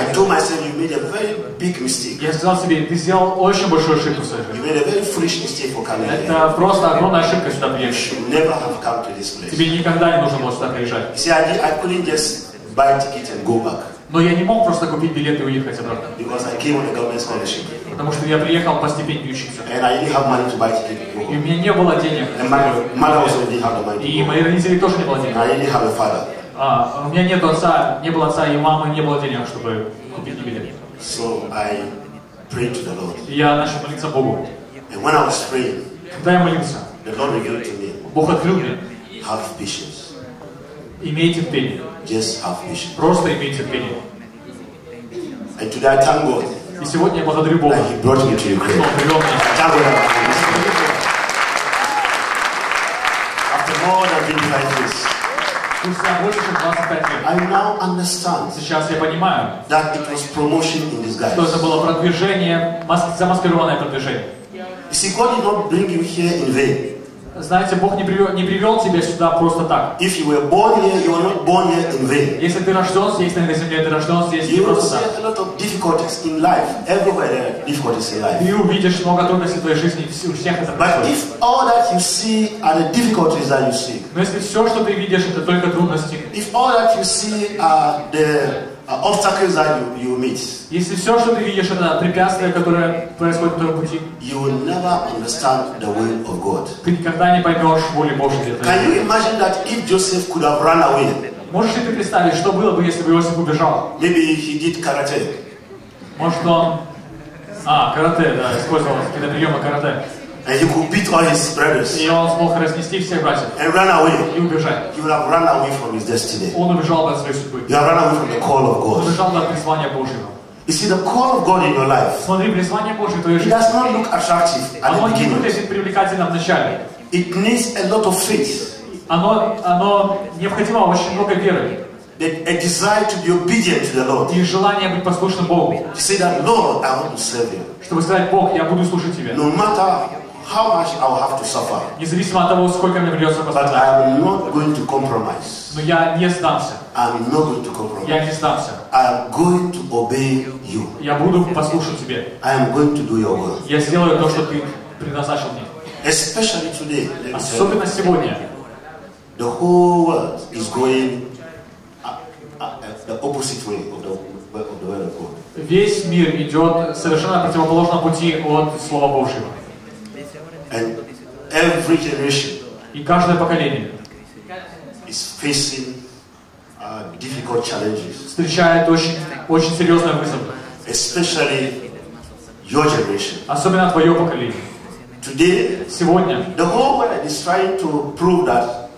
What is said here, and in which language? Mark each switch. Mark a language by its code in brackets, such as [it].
[en] I told myself, you made a very big mistake. [ru] Я сказал себе, ты сделал очень большую ошибку в своей жизни. [en] You made a very foolish mistake for coming here. [ru] Это просто огромная ошибка сюда приехать. [en] You should never have come to this place. [ru] Тебе никогда не нужно было сюда приезжать. [en] See, I couldn't just buy a ticket and go back. [ru] Но я не мог просто купить билет и уехать обратно. [en] Because I came on a government scholarship. [ru] Потому что я приехал по стипендии учиться. [en] And I didn't have money to buy ticket. [ru] И у меня не было денег. [en] And my mother also didn't have the money. [ru] И мои родители тоже не было денег. [en] I didn't have a father. [ru] А, у меня нет отца, не было отца, и у мамы не было денег, чтобы купить билет. [en] So I prayed to the Lord. [ru] И я начал молиться Богу. [en] And when I was praying, [ru] когда я молился, [en] the Lord revealed to me, [ru] Бог открыл мне. [en] Have patience. [ru] Имейте терпение. [en] Just have patience. [ru] Просто имейте терпение. [en] And today I thank God. [ru] И сегодня я благодарю Бога. [en] He brought me to Ukraine. [ru] Он привел меня. [en] Thank God. After more than 25 years. I now understand. [ru] Сейчас я понимаю. [en] That it was promotion in disguise. [ru] Что это было продвижение, замаскированное продвижение. [en] See, God did not bring you here in vain. [ru] Знаете, Бог не привел тебя сюда просто так. [en] If you were born here, you were not born here in vain. [ru] Если ты рожден здесь, на этой земле, ты рожден здесь не просто так. [en] You will see a lot of difficulties in life. Everywhere there are difficulties in life. [ru] Ты увидишь много трудностей в твоей жизни, у всех это происходит. [en] But if all that you see are the difficulties that you see. [ru] Но если все, что ты видишь, это только трудности. [en] If all that you see are the obstacles that you meet. [ru] Если все, что ты видишь, это препятствия, которые происходят на твоем пути. [en] You will never understand the will of God. [ru] Ты никогда не поймешь воли Божьей. [en] Can you imagine that if Joseph could have run away? [ru] Можешь ли ты представить, что было бы, если бы Иосиф убежал? [en] Maybe he did karate. [ru] Может он, карате, да, использовал какие-то приемы карате. [en] And he could beat all his brothers. [ru] И он смог разнести всех братьев. [en] And run away. [ru] И убежать. [en] He would have run away from his destiny. [ru] Он убежал бы от своей судьбы. [en] He would run away from the call of God. [ru] Он убежал бы от призвания Божьего. [en] You see the call of God in your life. [ru] Смотри, призвание Божье в твоей жизни. [en] It does not look attractive at the beginning. [ru] Оно не выглядит привлекательно вначале. [en] It needs a lot of faith. [ru] Оно необходимо очень много веры. [en] A desire to be obedient to the Lord. [ru] И желание быть послушным Богу. [en] To say that, Lord, I want to serve you. [ru] Чтобы сказать, Бог, я буду служить тебе. [en] No matter how much I will have to suffer. [ru] Независимо от того, сколько мне придется пострадать. [en] But I am not going to compromise. [ru] Но я не сдамся. [en] I'm not going to compromise. [ru] Я не сдамся. [en] I am going to obey you. [ru] Я буду послушать тебе. [en] I am going to do your will. [ru] Я сделаю то, что ты предназначил мне. [en] Especially today. [ru] Особенно сегодня. [en] The whole world is going the opposite way of the word of God. [ru] Весь мир идет совершенно противоположному пути от Слова Божьего. [en] And every generation [ru] и каждое поколение [en] is facing difficult challenges. [ru] Встречает очень серьезные вызовы. [en] Especially your generation. [ru] Особенно твое поколение. [en] Today, [ru] сегодня, [en] the whole world is trying to prove that